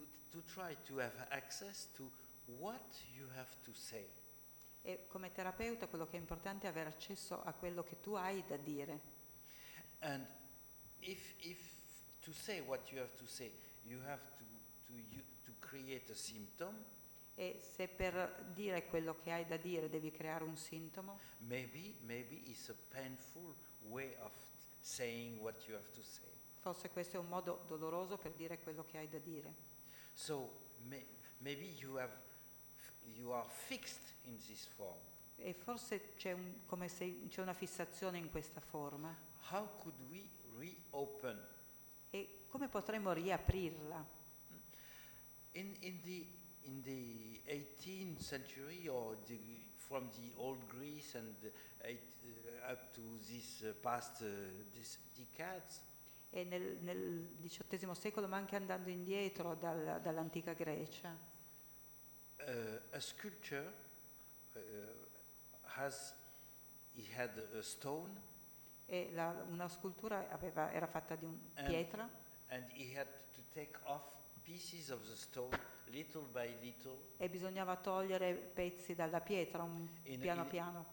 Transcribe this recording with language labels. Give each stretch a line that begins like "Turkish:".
English: to try to have access to what you have to say.
Italian: E come terapeuta quello che è importante è avere accesso a quello che tu hai da dire.
English: And if to say what you have to say, you have to create a symptom.
Italian: E se per dire quello che hai da dire devi creare un sintomo?
English: Maybe it's a painful way of saying what you have to say.
Italian: Forse questo è un modo doloroso per dire quello che hai da dire.
English: So maybe you are fixed in this form.
Italian: E forse c'è una fissazione in questa forma.
English: How could we reopen?
Italian: E come potremmo riaprirla?
English: In the 18th century, or the, from the old Greece and up to this past decades.
Italian: E nel XVIII secolo, ma anche andando indietro dall'antica Grecia.
English: A sculpture had a stone.
Italian: E una scultura era fatta di pietra.
English: And he had to take off pieces of the stone. Little by little,
Italian: e bisognava togliere pezzi dalla pietra piano piano